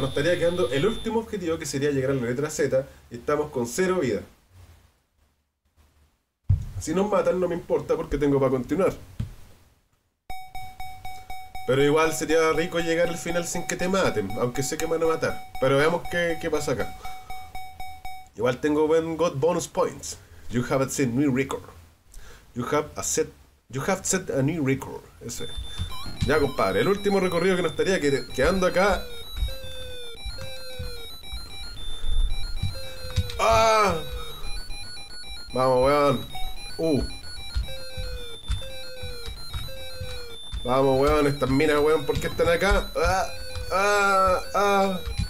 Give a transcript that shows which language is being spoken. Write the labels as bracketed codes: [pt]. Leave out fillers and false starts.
[es] Nos estaría quedando el último objetivo, que sería llegar a la letra Z. Y estamos con cero vida. Si nos matan, no me importa porque tengo para continuar. Pero igual sería rico llegar al final sin que te maten, aunque sé que me van a matar. Pero veamos qué pasa acá. Igual tengo buen God Bonus Points. [en] You have a set new record. You have a set. You have set a new record. [es] Ese. Ya, compadre. El último recorrido que nos estaría quedando acá. ¡Ah! Vamos, weón. Vamos, weón. Estas minas, weón. ¿Por qué están acá? ¡Ah! ¡Ah! ¡Ah!